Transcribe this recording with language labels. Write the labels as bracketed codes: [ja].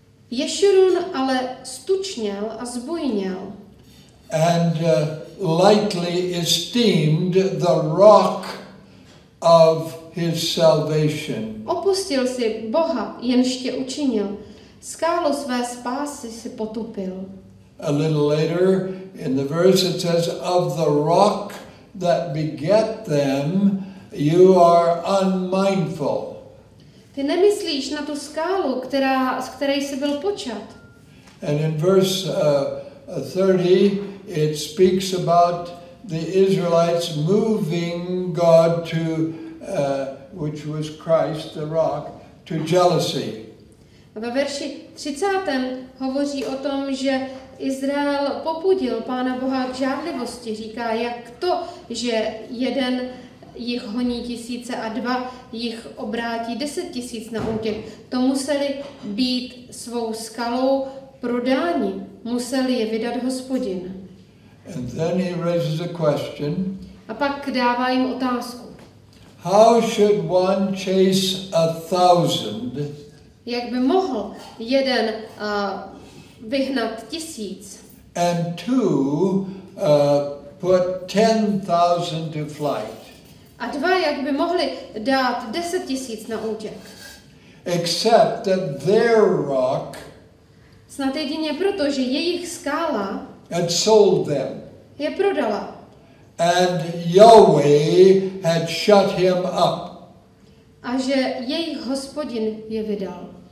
[cs] Ješurun ale stučněl a zbujněl. [en] And lightly esteemed the rock of his salvation. [cs] Opustil si Boha, jenž tě učinil. Skálu své spásy si potupil. [en] A little later in the verse it says, of the rock that beget them, you are unmindful. [cs] Ty nemyslíš na tu skálu, která, z které jsi byl počat. [en] And in verse 30, it speaks about the Israelites moving God to, which was Christ, the rock, to jealousy. [cs] A ve verši 30. hovoří o tom, že Izrael popudil Pána Boha k žárlivosti. Říká, jak to, že jeden jich honí tisíce a dva jich obrátí 10 000 na útěk. To museli být svou skalou prodáni. Museli je vydat Hospodin. [en] And then he raises a question. [cs] A pak dává jim otázku. [en] How should one chase a thousand? [cs] Jak by mohl jeden vyhnat 1000? [en] And two put 10,000 to flight. [cs] A dva, jak by mohli dát 10 000 na útěk? [en] except that their rock [cs] snad jedině proto, že jejich skála [en] had sold them. [cs] Je prodala. [en] And Yahweh had shut him up. [cs] A že jejich hospodin je vydal.